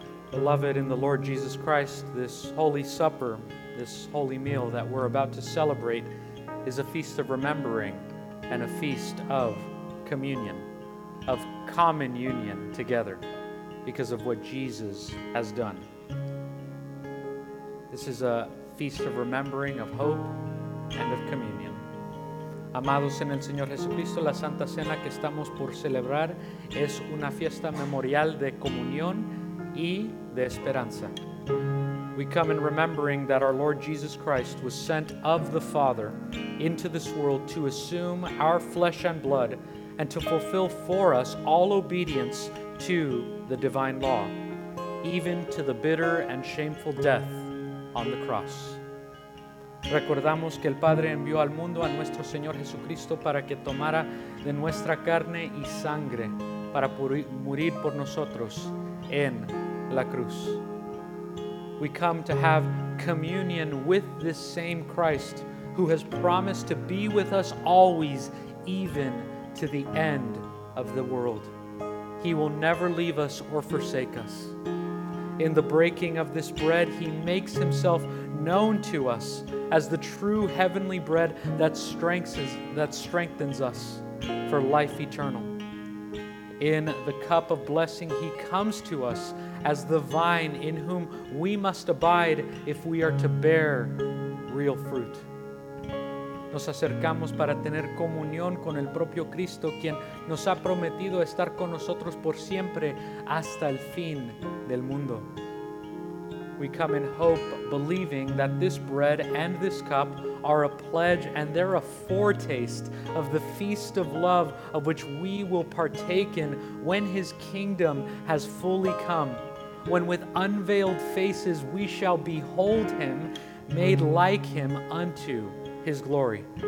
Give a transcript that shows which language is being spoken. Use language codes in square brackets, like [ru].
[en] Beloved in the Lord Jesus Christ, this holy supper, this holy meal that we're about to celebrate is a feast of remembering and a feast of communion, of common union together because of what Jesus has done. This is a feast of remembering, of hope, and of communion. [es] Amados en el Señor Jesucristo, la Santa Cena que estamos por celebrar es una fiesta memorial de comunión y de esperanza. [en] We come in remembering that our Lord Jesus Christ was sent of the Father into this world to assume our flesh and blood and to fulfill for us all obedience to the divine law, even to the bitter and shameful death on the cross. [es] Recordamos que el Padre envió al mundo a nuestro Señor Jesucristo para que tomara de nuestra carne y sangre para morir por nosotros en la cruz. [en] We come to have communion with this same Christ who has promised to be with us always, even to the end of the world. He will never leave us or forsake us. In the breaking of this bread, He makes Himself known to us as the true heavenly bread that strengthens us for life eternal. In the cup of blessing, He comes to us as the vine in whom we must abide if we are to bear real fruit. [es] Nos acercamos para tener comunión con el propio Cristo, quien nos ha prometido estar con nosotros por siempre hasta el fin del mundo. [en] We come in hope, believing that this bread and this cup are a pledge and they're a foretaste of the feast of love of which we will partake in when His kingdom has fully come, when with unveiled faces we shall behold Him, made like Him unto His glory.